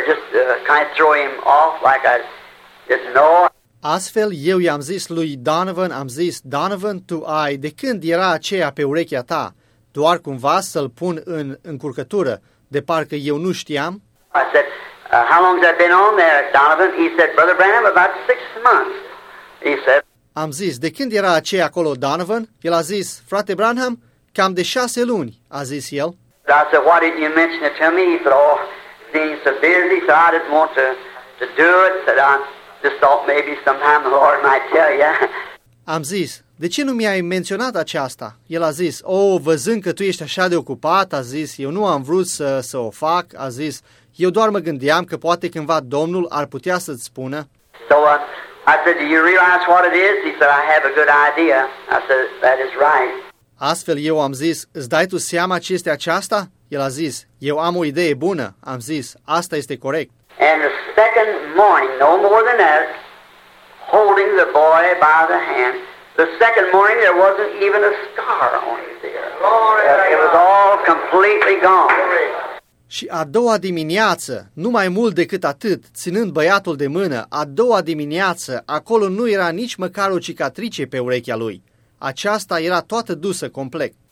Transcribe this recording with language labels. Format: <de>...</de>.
<en>Just kind of throw him off like I just know.</en> <ro>Astfel, eu i-am zis lui Donovan, tu ai, de când era aceea pe urechea ta? Doar cumva să-l pun în încurcătură, de parcă eu nu știam?</ro> <en>I said, how long has that been on there, Donovan? He said, Brother Branham, about 6 months. He said,</en> <ro>am zis, de când era aceea acolo, Donovan? El a zis, Frate Branham, cam de 6 luni, a zis el.</ro> <en>I said, why didn't you mention it to me? He said, being so busy, so I didn't want to do it, that I just thought maybe sometime the Lord might tell you.</en> <ro>Am zis, de ce nu mi-ai menționat aceasta? El a zis, văzând că tu ești așa de ocupat, a zis, eu nu am vrut să o fac, a zis, eu doar mă gândeam că poate cândva Domnul ar putea să-ți spună.</ro> <en>So, I said, do you realize what it is? He said, I have a good idea. I said, that is right.</en> <ro>Astfel eu am zis, îți dai tu seama ce este aceasta? El a zis, eu am o idee bună. Am zis, asta este corect.</ro> <en>And the second morning, no more than that, holding the boy by the hand, the second morning there wasn't even a scar on his ear. It was all completely gone.</en> <ro>Și a doua dimineață, numai mult decât atât, ținând băiatul de mână, a doua dimineață, acolo nu era nici măcar o cicatrice pe urechea lui. Aceasta era toată dusă complet.</ro>